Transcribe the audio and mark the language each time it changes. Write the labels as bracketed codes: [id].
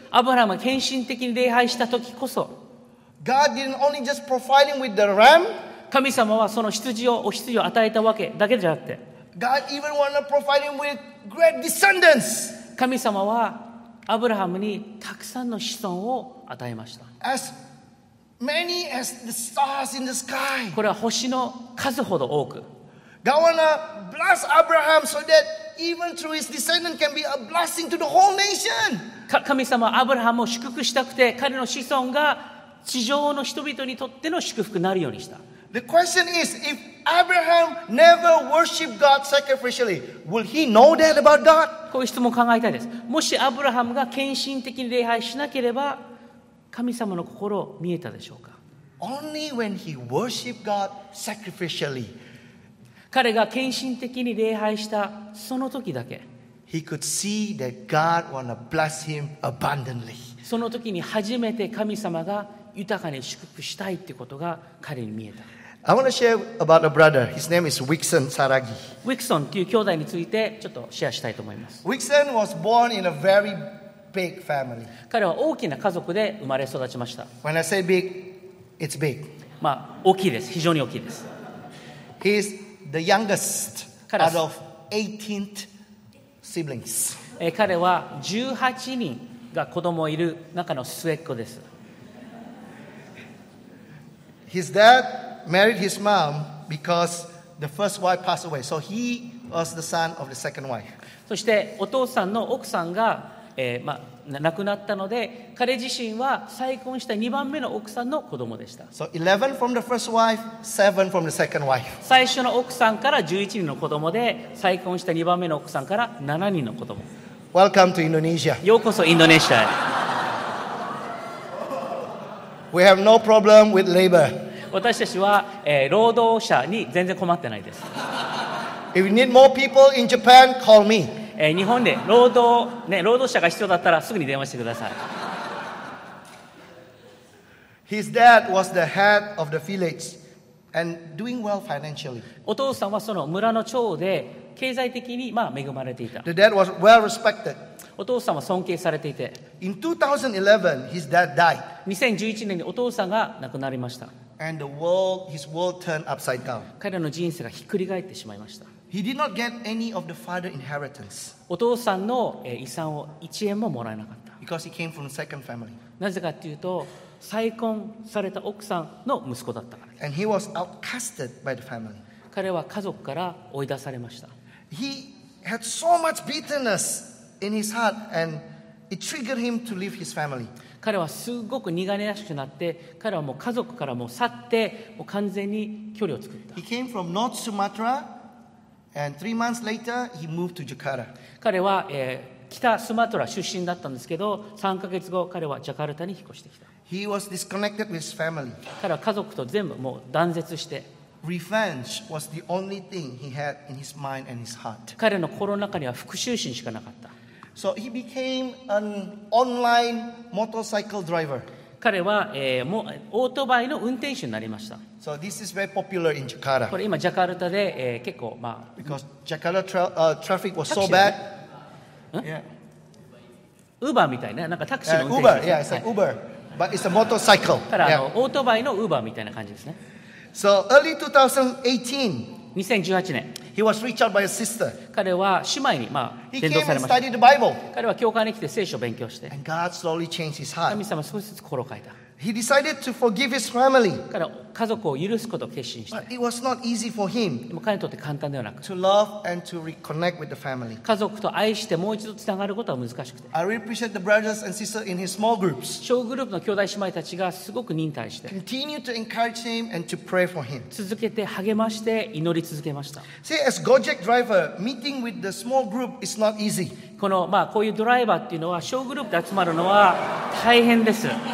[ja] アブラハムが献身的に礼拝した時こそ [en] God didn't only just provide him with the ram, [ja] 神様はその羊をお羊を与えたわけだけじゃなくて [en] God even wanted to provide him with great descendants. [ja] 神様はアブラハムにたくさんの子孫を与えました。 [en] As many as the stars in the sky. [ja] これは星の数ほど多く。 [en] God wanna bless Abraham so that even through his descendant can be a blessing to the whole nation. [ja] 神様はアブラハムを祝福したくて、彼の子孫が地上の人々にとっての祝福になるようにした。 [en] The question is, if Abraham never worshiped God sacrificially, will he know that about God? [ja] こういう質問を考えたいです。もしアブラハムが献身的に礼拝しなければ、神様の心を見えたでしょうか。 [en] Only when he worshiped God sacrificially, [ja] 彼が献身的に礼拝したその時だけ、 [en] he could see that God wanna bless him abundantly. [ja] その時に初めて神様が豊かに祝福したいってことが彼に見えた。 [en] I want to share about a brother. His name is Wixon Saragi. [ja] Wixon という兄弟についてちょっとシェアしたいと思います。 [en] Wixon was born in a very big family. [ja] 彼は大きな家族で生まれ育ちました。 [en] When I say big, it's big. [ja] まあ大きいです。非常に大きいです。 [en] He's the youngest out of 18 siblings. [ja] 彼は18人が子供いる中の末っ子です。 [en] His dad married his mom because the first wife passed away. So he was the son of the second wife. [ja] そしてお父さんの奥さんが、亡くなったので、彼自身は再婚した2番目の奥さんの子供でした。 [en] So 11 from the first wife, 7 from the second wife. [ja] 最初の奥さんから11人の子供で、再婚した2番目の奥さんから7人の子供。 [en] Welcome to Indonesia. [ja] ようこそインドネシアへ。 [en] We have no problem with labor. [ja] 私たちは、労働者に全然困ってないです。 [en] If you need more people in Japan, call me. [ja] 日本で労働、ね、労働者が必要だったらすぐに電話してください。 [en] His dad was the head of the village and doing well financially. [ja] お父さんはその村の長で経済的にまあ恵まれていた。 [en] The dad was well respected. [ja] お父さんは尊敬されていて、 [en] In 2011, his dad died. [ja] 2011年にお父さんが亡くなりました。 [en] And the world, his world turned upside down. [ja] 彼の人生がひっくり返ってしまいました。 [en] He did not get any of the father inheritance. [ja] お父さんの遺産を1円ももらえなかった。 [en] Because he came from the second family. [ja] なぜかというと、再婚された奥さんの息子だったから。 [en] And he was outcasted by the family. [ja] 彼は家族から追い出されました。 [en] He had so much bitterness.In his heart, and It triggered him to leave his family. [ja] 彼はすごく苦悲しくなって、彼はもう家族からも去って、もう完全に距離を作った。 [en] He came from North Sumatra, and 3 months later, he moved to Jakarta. [ja] 彼は、北スマトラ出身だったんですけど、3ヶ月後彼はジャカルタに引っ越してきた。 [en] He was disconnected with his family. [ja] 彼は家族と全部もう断絶して。 [en] Revenge was the only thing he had in his mind and his heart. [ja] 彼の心の中には復讐心しかなかった。 [en] So he became an online motorcycle driver. [ja] 彼は、もうオートバイの運転手になりました。 [en] So this is very popular in Jakarta. [ja] これ今ジャカルタで、結構まあ。 Because Jakarta traffic was so bad. ウーバーみたいな、なんかタクシーの運転手ですね。 [en] Uber, yeah, it's like Uber, but it's a motorcycle. [ja] ただ、yeah. オートバイのウーバーみたいな感じですね。 [en] So early 2018, [ja] 2018年、 [en] he was reached out by a sister. [ja] 彼は姉妹に、まあ、伝道されました。 [en] He came and studied the Bible. [ja] 彼は教会に来て聖書を勉強して。 [en] And God slowly changed his heart. [ja] 神様は少しずつ心を変えた。 [en] He decided to forgive his family. [ja] 彼は家族を許すことを決心して。 [en] But it was not easy for him. [ja] でも彼にとって簡単ではなく。 [en] To love and to reconnect with the family. [ja] 家族と愛してもう一度つながることは難しくて。 [en] I really appreciate the brothers and sisters in his small groups. [ja] 小グループの兄弟姉妹たちがすごく忍耐して。 [en] Continue to encourage him and to pray for him. [ja] 続けて励まして祈り続けました。 [en] See, as Gojek driver, meeting with the small group is not easy. [ja] この、まあ、こういうドライバーっていうのは小グループで集まるのは大変です。